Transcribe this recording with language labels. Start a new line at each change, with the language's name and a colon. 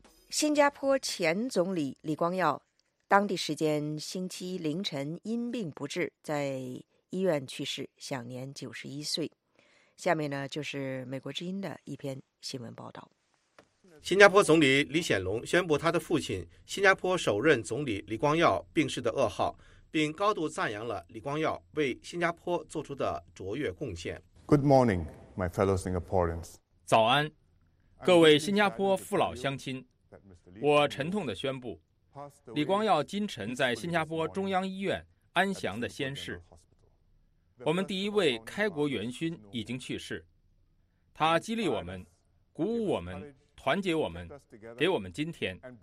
Chinese: 新加坡前总理李光耀当地时间星期一凌晨因病不治，在医院去世，享年91岁。下面呢，就是美国之音的一篇新闻报道。新加坡总理李显龙宣布他的父亲新加坡首任总理李光耀病逝的噩耗，并高度赞扬了李光耀为新加坡做出的卓越贡献。
English: Good morning, my fellow Singaporeans.
Chinese: 早安，各位新加坡父老乡亲。我沉痛地宣布，李光耀今晨在新加坡中央医院安详地仙逝。我们第一位开国元勋已经去世，他激励我们，鼓舞我们，团结我们，给我们今天。